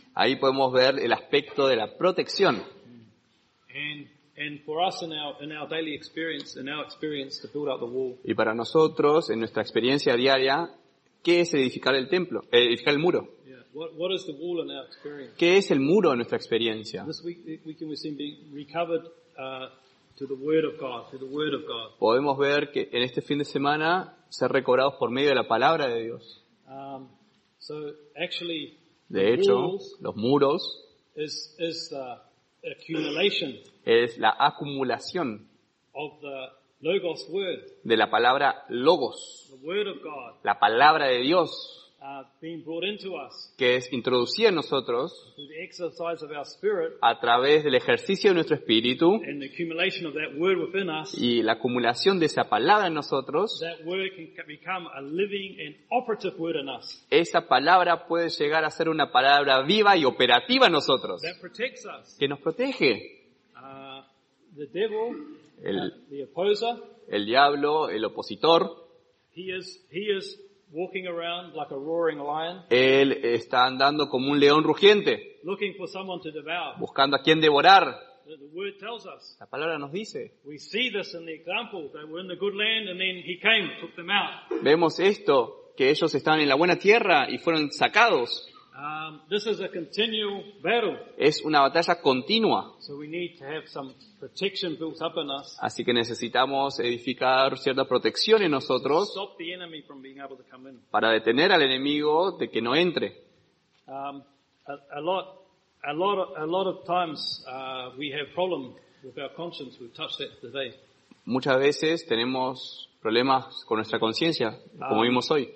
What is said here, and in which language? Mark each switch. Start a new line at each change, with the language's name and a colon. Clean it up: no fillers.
Spanish: Ahí podemos ver el aspecto de la protección.
English: And for us in our daily experience, in our experience to build up the wall.
Spanish: Y para nosotros en nuestra experiencia diaria, ¿qué es edificar el templo? Edificar el muro.
English: Yeah. What is the wall in our experience?
Spanish: ¿Qué es el muro en nuestra experiencia?
English: This week we seem to be recovered to the word of God, to the word of God.
Spanish: Podemos ver que en este fin de semana ser recobrados por medio de la palabra de Dios.
English: So actually,
Spanish: de hecho, los muros
English: is the accumulation.
Spanish: Es la acumulación
English: of the logos word,
Spanish: de la palabra logos,
English: the word of God,
Spanish: la palabra de Dios,
English: being brought into us,
Spanish: que es introducida en nosotros
English: through the exercise of our spirit,
Spanish: a través del ejercicio de nuestro espíritu
English: and the accumulation of that word within us,
Spanish: y la acumulación de esa palabra en nosotros,
English: that word can become a living and operative word in us.
Spanish: Esa palabra puede llegar a ser una palabra viva y operativa en nosotros
English: that protects us,
Spanish: que nos protege.
English: The devil, the opposer,
Spanish: el diablo, el opositor,
English: he is walking around like a roaring lion,
Spanish: él está andando como un león rugiente,
English: looking for someone to devour,
Spanish: buscando a quien devorar.
English: The word tells us,
Spanish: la palabra nos dice,
English: we see this in the example, they were in the good land and then he came, took them out.
Spanish: Vemos esto, que ellos estaban en la buena tierra y fueron sacados.
English: This is a continual battle.
Spanish: Es una batalla continua.
English: So we need to have some protection built up in us.
Spanish: Así que necesitamos edificar cierta protección en nosotros.
English: Stop the enemy from being able to come in.
Spanish: Para detener al enemigo de que no entre.
English: A lot of times we have problems with our conscience. We've touched that today.
Spanish: Muchas veces tenemos problemas con nuestra conciencia, como vimos hoy.